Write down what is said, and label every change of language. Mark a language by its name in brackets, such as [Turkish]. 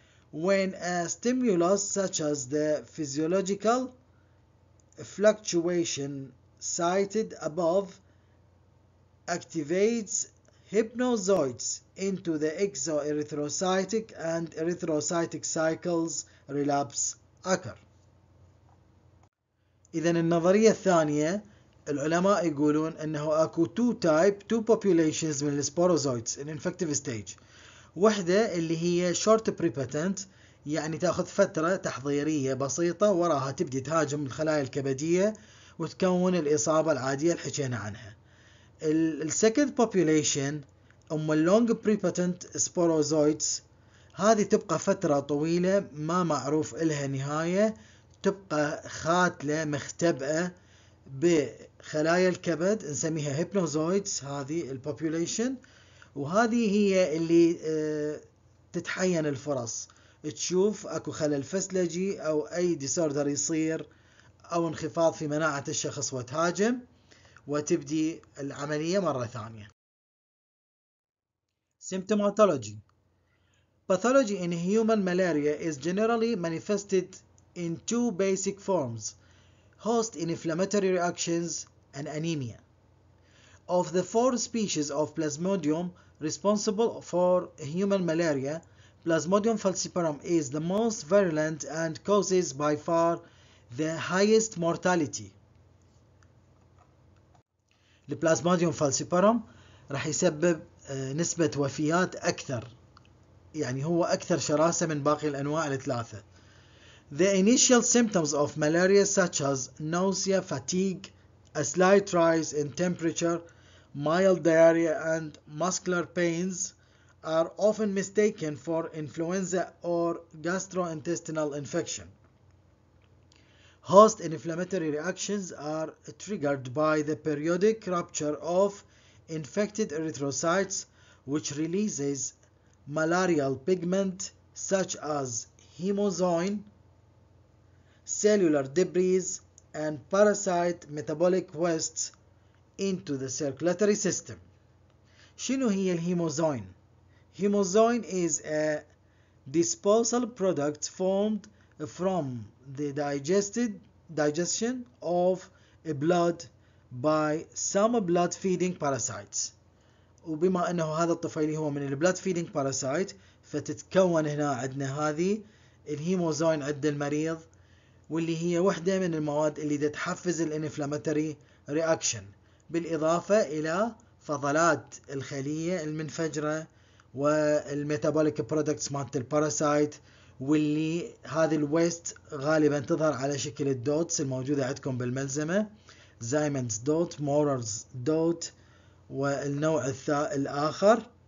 [English] When a stimulus such as the physiological fluctuation cited above activates hypnozoites into the exoerythrocytic and erythrocytic cycles relapse occur. [Arabic] إذن النظرية الثانية العلماء يقولون أنه أكو [English] two populations [Arabic] من السبوروزويتس [English] in infective stage. [Arabic] وحدة اللي هي short prepatent يعني تأخذ فترة تحضيرية بسيطة وراها تبدي تهاجم الخلايا الكبدية وتكون الإصابة العادية اللي حكينا عنها. السكند بوبوليشن أم اللونج بريباتنت سبوروزويتس هذه تبقى فترة طويلة ما معروف إلها نهاية، تبقى خاتلة مختبئة بخلايا الكبد نسميها هيبنوزويدز، هذه البوبوليشن، وهذه هي اللي تتحين الفرص تشوف اكو خلل فسلجي او اي ديسوردر يصير او انخفاض في مناعة الشخص وتهاجم وتبدي العملية مرة ثانية. [English] Symptomatology. Pathology in human malaria is generally manifested in two basic forms: host inflammatory reactions and anemia. Of the four species of Plasmodium responsible for human malaria, Plasmodium falciparum is the most virulent and causes by far the highest mortality. [Arabic] Plasmodium falciparum راح يسبب نسبة وفيات أكثر، يعني هو أكثر شراسة من باقي الأنواع الثلاثة. [English] The initial symptoms of malaria such as nausea, fatigue, a slight rise in temperature, mild diarrhea and muscular pains are often mistaken for influenza or gastrointestinal infection. Host inflammatory reactions are triggered by the periodic rupture of infected erythrocytes, which releases malarial pigment such as hemozoin, cellular debris, and parasite metabolic wastes into the circulatory system. [Arabic] شنو هي الهيموزوين؟ [English] Hemozoin is a disposal product formed from the digestion of blood by some blood feeding parasites. [Arabic] وبما انه هذا الطفيلي هو من [English] blood feeding parasite [Arabic] فتتكون هنا عندنا هذه الهيموزوين عند المريض، واللي هي وحده من المواد اللي تحفز الانفلاماتوري رياكشن، بالاضافه الى فضلات الخليه المنفجره والميتابوليك برودكتس مالت الباراسايت، واللي هذه الويست غالبا تظهر على شكل الدوتس الموجوده عندكم بالملزمه، زايمنز دوت، مورز دوت، والنوع الاخر.